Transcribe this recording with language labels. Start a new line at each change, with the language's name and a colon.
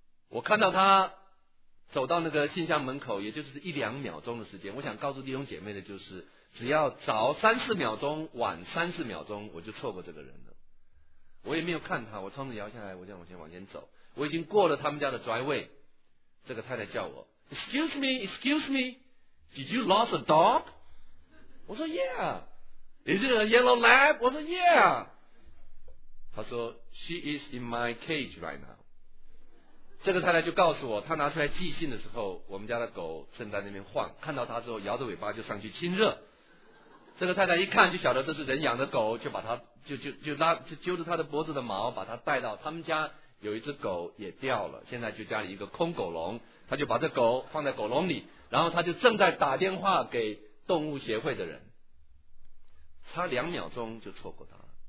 Chinese: 我看到他走到那个信箱门口，也就是一两秒钟的时间。我想告诉弟兄姐妹的就是，只要早3-4秒钟晚3-4秒钟，我就错过这个人了。我也没有看他，我窗子摇下来，我就往前走。我已经过了他们家的 driveway，这个太太叫我
English: Excuse me Did you lost a dog?
Chinese: 我说
English: Yeah. Is it a yellow lab?
Chinese: 我说
English: Yeah.
Chinese: 他说
English: She is in my cage right now.
Chinese: 这个太太就告诉我，她拿出来寄信的时候，我们家的狗正在那边晃，看到她之后摇着尾巴就上去亲热。这个太太一看就晓得这是人养的狗，就把它就揪着它的脖子的毛，把它带到他们家。有一只狗也掉了，现在就家里一个空狗笼，他就把这狗放在狗笼里，然后他就正在打电话给动物协会的人，差两秒钟就错过他了。